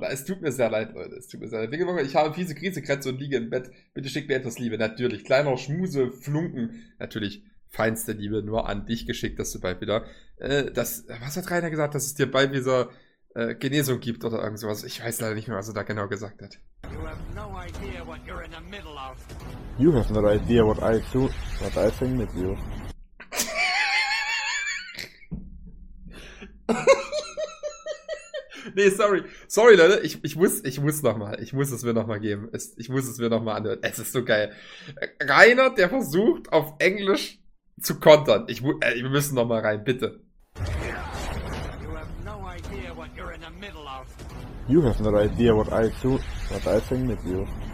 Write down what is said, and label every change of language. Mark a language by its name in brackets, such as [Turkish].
[German] Es tut mir sehr leid, Leute. Es tut mir sehr leid. Ich habe fiese Krisekratze und liege im Bett. Bitte schick mir etwas Liebe. Natürlich. Kleiner Schmuse, Flunken. Natürlich. Feinste Liebe nur an dich geschickt, dass du bald wieder, was hat Rainer gesagt, dass es dir bald dieser, Genesung gibt oder irgend sowas? Ich weiß leider nicht mehr, was er da genau gesagt hat. [English] You have no idea what you're in the middle of. You have no idea what I do, what I think with you. [German] Nee, sorry. Sorry, Leute. Ich muss es mir nochmal geben. Ich muss es mir nochmal anhören. Es ist so geil. Rainer, der versucht, auf Englisch zu kontern. Wir müssen nochmal rein, bitte. [English] You have no idea what you're in the middle of. You have no idea what I do, what I think with you.